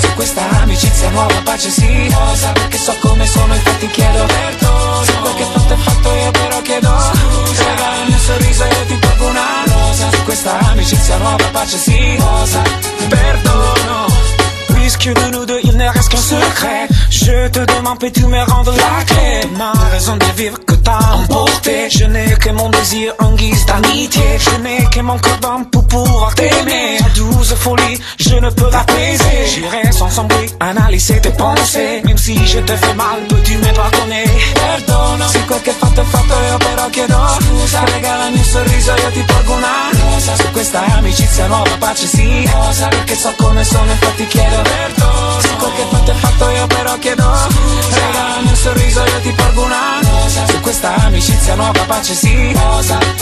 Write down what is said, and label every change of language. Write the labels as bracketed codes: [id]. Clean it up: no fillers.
[it] Su questa amicizia nuova pace sì, rosa. Perché so come sono, infatti chiedo perdono. Se quel che fatto è fatto, io però chiedo scusa. Regalami un sorriso, io ti porgo una rosa. Su questa amicizia nuova pace sì, rosa. Perdono. [fr] Puisque de nous deux il ne reste qu'un secret, je te demande, puis tu me rends la clé. Ma raison de vivre que t'as emporté. Je n'ai que mon désir en guise d'amitié. Je n'ai que mon corps d'âme pour pouvoir t'aimer. Ta douce folie, je ne peux l'apaiser. J'irai sans sombrer, analyser tes pensées. Même si je te fais mal, peux-tu me pardonner? [it] Perdono. Si qualche fatto è fatto, io però chiedo scusa. Regalami un sorriso, io ti porgo una rosa. Su questa amicizia nuova pace sì, rosa. Perché so come sono, infatti chiedo. Se quel che fatto è fatto, io però chiedo scusa. Regalami un sorriso, io ti porgo una rosa. Su questa amicizia nuova pace sì, rosa.